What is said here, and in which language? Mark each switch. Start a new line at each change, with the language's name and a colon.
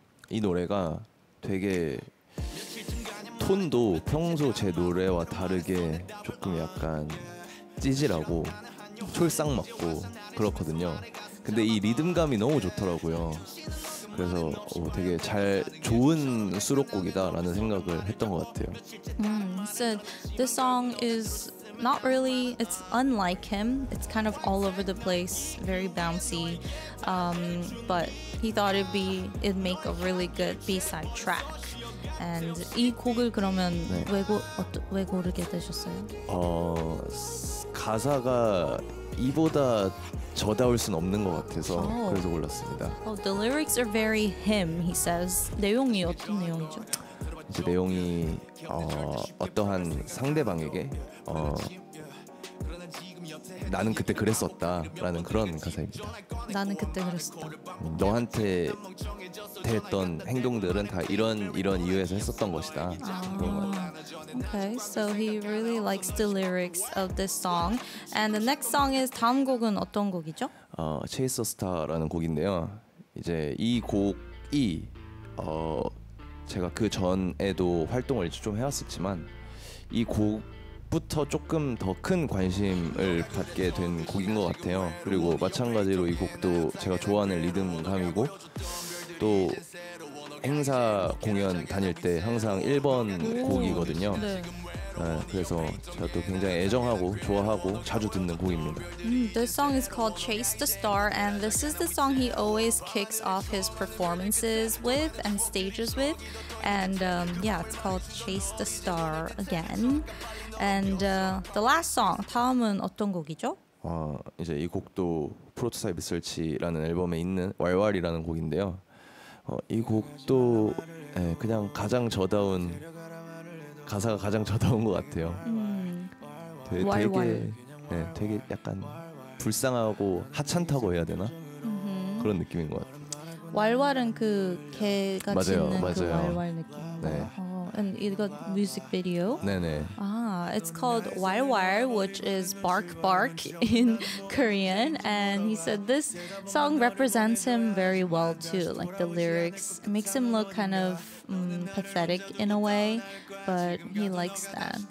Korean: 이 노래가 되게 톤도 평소 제 노래와 다르게 조금 약간 찌질하고 촐싹 맞고 그렇거든요. 근데 이 리듬감이 너무 좋더라고요. 그래서 되게 잘 좋은 수록곡이다라는 생각을 했던 것 같아요.
English: So this song is not really, it's unlike him. It's kind of all over the place, very bouncy. But he thought it'd make a really good B-side track.
Korean: And 이 곡을 그러면 왜 고르게 되셨어요? 가사가 이보다 저다울 순 없는 것 같아서 그래서 골랐습니다.
English: Oh, the lyrics are very him, he says.
Korean: 내용이 어떤 내용이죠? 이제 내용이 어떠한 상대방에게 나는 그때 그랬었다 라는 그런 가사입니다. 나는 그때 그랬었다. 너한테 했던 행동들은 다 이런 이유에서 했었던 것이다.
English: 오케이, so he really likes the lyrics of this song. And the next song is
Korean: 다음 곡은 어떤 곡이죠? Chase a Star라는 곡인데요. 이제 이 곡이 제가 그 전에도 활동을 좀 해왔었지만 이 곡부터 조금 더 큰 관심을 받게 된 곡인 것 같아요. 그리고 마찬가지로 이 곡도 제가 좋아하는 리듬감이고 또 행사 공연 다닐 때 항상 1번 곡이거든요. 네. 네, 그래서 제가 또 굉장히 애정하고 좋아하고 자주 듣는 곡입니다.
English: This song is called Chase the Star and this is the song he always kicks off his performances with and stages with and yeah, it's called Chase the Star again. And the last song,
Korean: 다음은 어떤 곡이죠? 이제 이 곡도 프로토타입 리서치라는 앨범에 있는 왈왈이라는 곡인데요. 이 곡도 그냥 가장 저다운 가사가 가장 저다운 것 같아요. 되게 네, 되게 약간 불쌍하고 하찮다고 해야 되나? 그런 느낌인 것 같아요. 왈왈은 그 개가 맞아요, 짖는 맞아요. 그 왈왈 느낌. 네. 어, and 이거 뮤직 비디오? 네네.
English: 아, it's called 왈왈, which is bark bark in Korean. And he said this song represents him very well too. Like the lyrics makes him look kind of pathetic in a way, but he likes that.